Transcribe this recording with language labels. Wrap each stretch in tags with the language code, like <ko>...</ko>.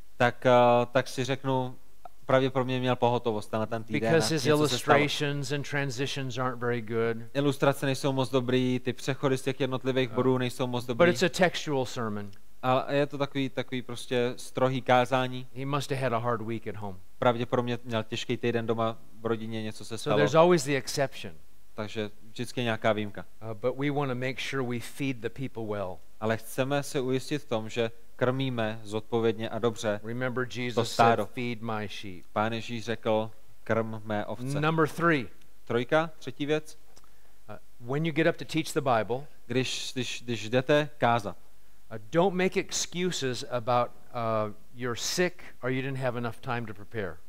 <cs>Tak si řeknu, pravděpodobně měl pohotovost na ten týden.</cs> <en>Because his illustrations and transitions aren't very good.</en> <cs>Ilustrace nejsou moc dobrý, ty přechody z těch jednotlivých bodů nejsou moc dobrý.</cs> <en>But it's a textual sermon.</en> <cs>A je to takový prostě strohý kázání.</cs> <en>He must have had a hard week at home.</en> <cs>Pravděpodobně měl těžký týden doma v rodině, něco se stalo.</cs> <en>So there's always the exception.</en> <cs>Takže vždycky je nějaká výjimka.</cs> <en>But we want to make sure we feed the people well.</en> <cs>Ale chceme se ujistit v tom, že krmíme zodpovědně a dobře.</cs> <en>Remember Jesus said, feed my sheep.</en> <cs>Pán Ježíš řekl, krm mé ovce.</cs> <en>Number three.</en> <cs>Trojka, třetí věc.</cs> <en>When you get up to teach the Bible,</en> <cs>když jdete kázat.</cs> <en>Don't make excuses about you're sick or you didn't have enough time to prepare.</en>